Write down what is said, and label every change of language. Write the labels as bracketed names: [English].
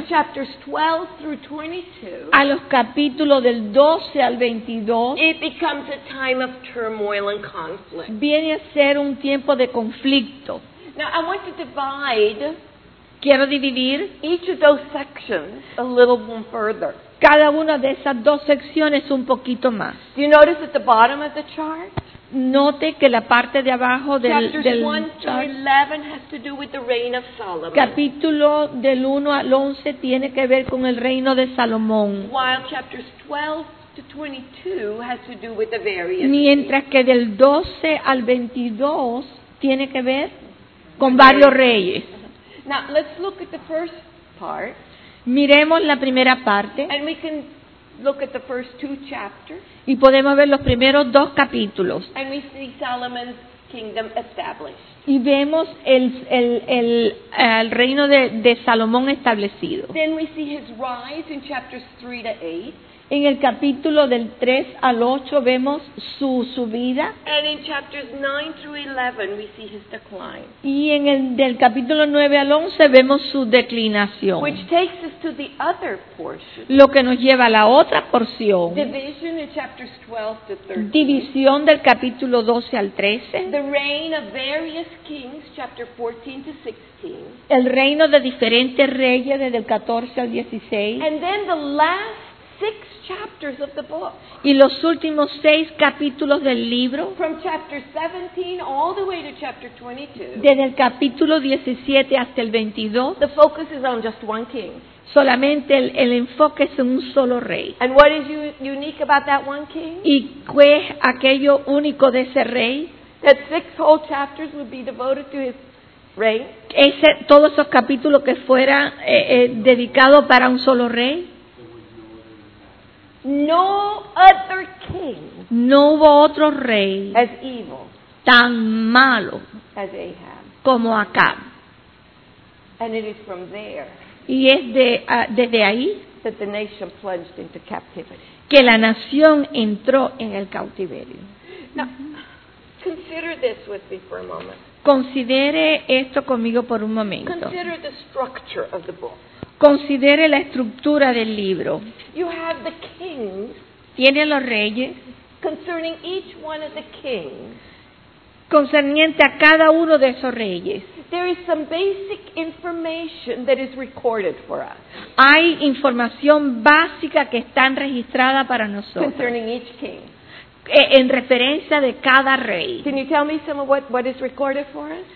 [English] To chapters 12 through 22. [Spanish] A los capítulos del 12 al 22. [English] It becomes a time of turmoil and conflict. [Spanish] Viene a ser un tiempo de conflicto. [English] Now I want to divide. [Spanish] Quiero dividir [English] each of those sections a little more further. [Spanish] Cada una de esas dos secciones un poquito más. [English] Do you notice at the bottom of the chart? [Spanish] Note que la parte de abajo del [English] chart, 1-11 has to do with the reign of Solomon. [Spanish] Capítulo del 1 al 11 tiene que ver con el reino de Salomón. [English] While chapters 12-22 has to do with the various. [Spanish] Mientras que del 12 al 22 tiene que ver con varios reyes. [English] Now let's look at the first part. [Spanish] Miremos la primera parte. [English] And we can look at the first two chapters. [Spanish] Y podemos ver los primeros dos capítulos. [English] And we see Solomon's kingdom established. [Spanish] Y vemos el reino de Salomón establecido. [English] Then we see his rise in chapters 3-8. [Spanish] En el capítulo del 3 al 8 vemos su subida. [English] And in chapters 9 through 11 we see his decline. [Spanish] Y en el del capítulo 9 al 11 vemos su declinación. [English] Which takes us to the other portion. [Spanish] Lo que nos lleva a la otra porción. [English] Division in chapters 12 to 13. [Spanish] División del capítulo 12 al 13. [English] The reign of various kings, chapter 14 to 16. [Spanish] El reino de diferentes reyes desde el 14 al 16. [English] And then the last 6 chapters of the book. [Spanish] Y los últimos 6 capítulos del libro. [English] From chapter 17 all the way to chapter 22. [Spanish] Desde el capítulo 17 hasta el 22. [English] The focus is on just one king. [Spanish] Solamente el enfoque es en un solo rey. [English] And what is unique about that one king? [Spanish] ¿Y qué es aquello único de ese rey? [English] That 6 whole chapters would be devoted to his reign. [Spanish] Ese todos esos capítulos que fuera dedicado para un solo rey. [English] No other king. [Spanish] No hubo otro rey [English] as evil [Spanish] tan malo [English] as Ahab. [Spanish] Como Acab. [English] And it is from there. [Spanish] Y es desde ahí [English] that the nation plunged into captivity. [Spanish] Que la nación entró en el cautiverio. [English] Now, consider this with me for a moment. [Spanish] Considere esto conmigo por un momento. [English] Consider the structure of the book. [Spanish] Considere la estructura del libro. [English] You have the kings. [Spanish] Tiene los reyes. [English] Concerning each one of the kings. [Spanish] Concerniente a cada uno de esos reyes. [English] There is some basic information that is recorded for us. [Spanish] Hay información básica que está registrada para nosotros. [English] Concerning each king. [Spanish] En referencia de cada rey. [English] Can you tell me some of what is recorded for us?